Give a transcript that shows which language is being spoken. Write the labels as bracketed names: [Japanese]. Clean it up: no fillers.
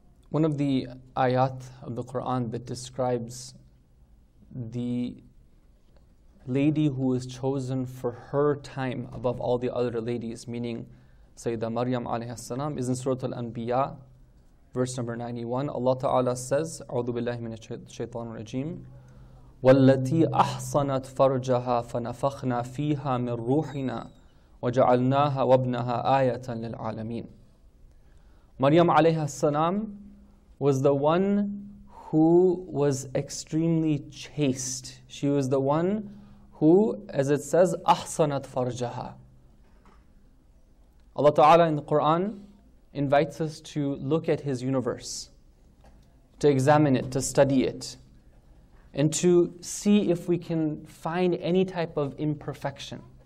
[English] One of the ayat of the Quran that describes the lady who is chosen for her time above all the other ladies, meaning Sayyidah Maryam alayhi salam, is in Surah Al-Anbiya, verse number 91. Allah Ta'ala says, [Arabic] أعوذ بالله من الشيطان الرجيم وَالَّتِي أَحْصَنَتْ فَرْجَهَا فَنَفَخْنَا فِيهَا مِنْ رُوحِنَا وَجَعَلْنَاهَا وَابْنَهَا آيَةً لِلْعَالَمِينَ. [English] Maryam alayhi salam was the one who was extremely chaste. She was the one who, as it says, [Arabic] أحصنت فرجها. [English] Allah Ta'ala in the Quran invites us to look at His universe, to examine it, to study it, and to see if we can find any type of imperfection.